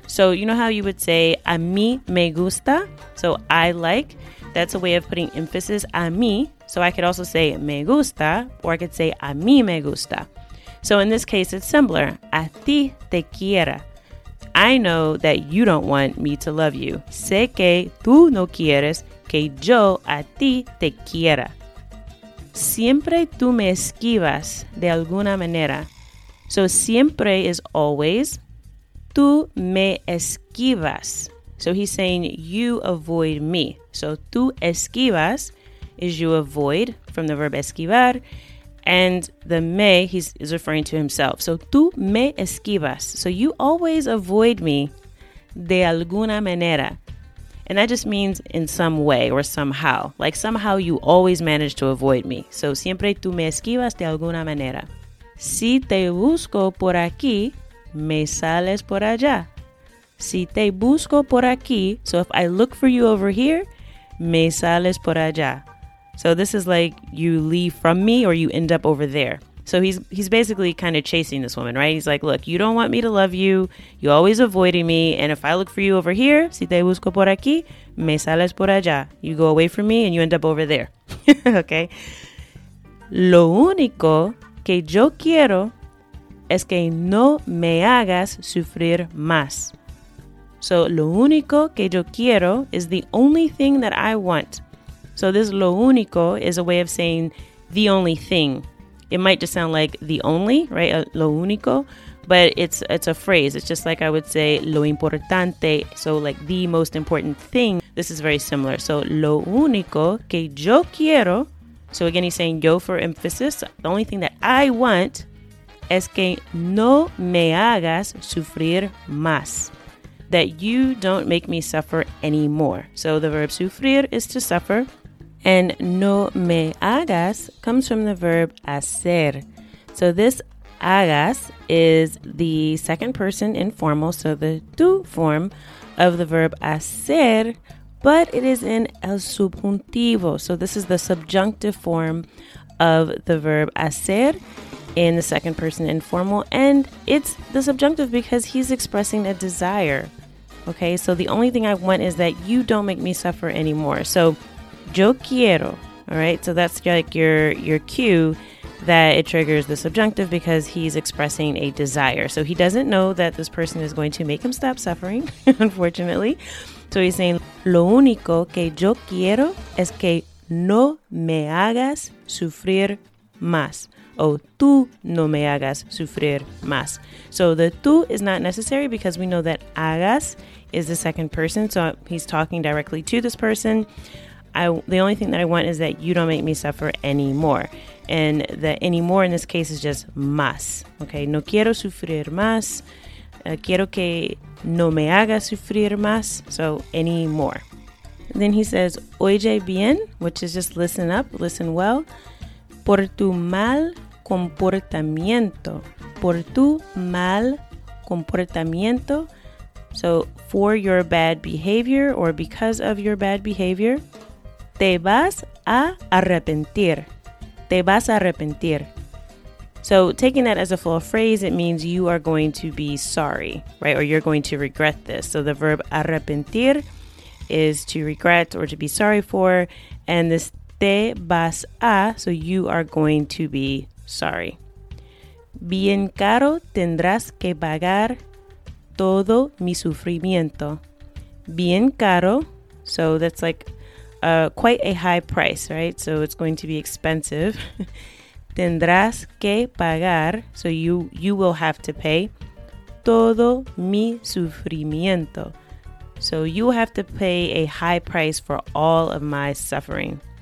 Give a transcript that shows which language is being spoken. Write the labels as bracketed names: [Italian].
[English] So you know how you would say [Spanish] a mí me gusta? [English] So I like. That's a way of putting emphasis [Spanish] a mí. [English] So I could also say [Spanish] me gusta, [English] or I could say [Spanish] a mí me gusta. [English] So in this case, it's simpler. [Spanish] A ti te quiera. [English] I know that you don't want me to love you. [Spanish] Sé que tú no quieres que yo a ti te quiera. Siempre tú me esquivas de alguna manera. So siempre [English] is always. [Spanish] Tú me esquivas. [English] So he's saying you avoid me. So [Spanish] tú esquivas [English] is you avoid from the verb esquivar. And the me, he's referring to himself. So [Spanish] tú me esquivas. [English] So you always avoid me [Spanish] de alguna manera. [English] And that just means in some way or somehow. Like somehow you always manage to avoid me. [Spanish] So siempre tú me esquivas de alguna manera. Si te busco por aquí, me sales por allá. Si te busco por aquí, [English] so if I look for you over here, [Spanish] me sales por allá. [English] So this is like you leave from me or you end up over there. So he's basically kind of chasing this woman, right? He's like, look, you don't want me to love you. You're always avoiding me. And if I look for you over here, [Spanish] si te busco por aquí, me sales por allá. [English] You go away from me and you end up over there. Okay. [Spanish] Lo único que yo quiero es que no me hagas sufrir más. [English] So [Spanish] lo único que yo quiero [English] is the only thing that I want. So this [Spanish] lo único [English] is a way of saying the only thing. It might just sound like the only, right? [Spanish] Lo único, [English] but it's a phrase. It's just like I would say [Spanish] lo importante. [English] So like the most important thing. This is very similar. [Spanish] So lo único que yo quiero. [English] So again, he's saying yo for emphasis. The only thing that I want [Spanish] es que no me hagas sufrir más. [English] That you don't make me suffer anymore. So the verb sufrir is to suffer. And [Spanish] no me hagas [English] comes from the verb hacer. So this hagas is the second person informal, so the tú form of the verb hacer, but it is in [Spanish] el subjuntivo. [English] So this is the subjunctive form of the verb hacer in the second person informal. And it's the subjunctive because he's expressing a desire. Okay, so the only thing I want is that you don't make me suffer anymore. So [Spanish] yo quiero, [English] all right? So that's like your cue that it triggers the subjunctive because he's expressing a desire. So he doesn't know that this person is going to make him stop suffering, unfortunately. [Spanish] So he's saying, lo único que yo quiero es que no me hagas sufrir más. O tú no me hagas sufrir más. [English] So the tú is not necessary because we know that hagas is the second person. So he's talking directly to this person. The only thing that I want is that you don't make me suffer anymore. And the anymore in this case is just más. [Spanish] Okay, no quiero sufrir más. Quiero que no me haga sufrir más. [English] So anymore. Then he says, [Spanish] oye bien, [English] which is just listen up, listen well. [Spanish] Por tu mal comportamiento. Por tu mal comportamiento. [English] So for your bad behavior or because of your bad behavior. [Spanish] Te vas a arrepentir. Te vas a arrepentir. [English] So taking that as a full phrase, it means you are going to be sorry, right? Or you're going to regret this. So the verb arrepentir is to regret or to be sorry for. And this [Spanish] te vas a, [English] so you are going to be sorry. [Spanish] Bien caro tendrás que pagar todo mi sufrimiento. bien caro. [English] So that's like quite a high price, right? So it's going to be expensive. [Spanish] Tendrás que pagar. [English] So you will have to pay. [Spanish] Todo mi sufrimiento. [English] So you have to pay a high price for all of my suffering.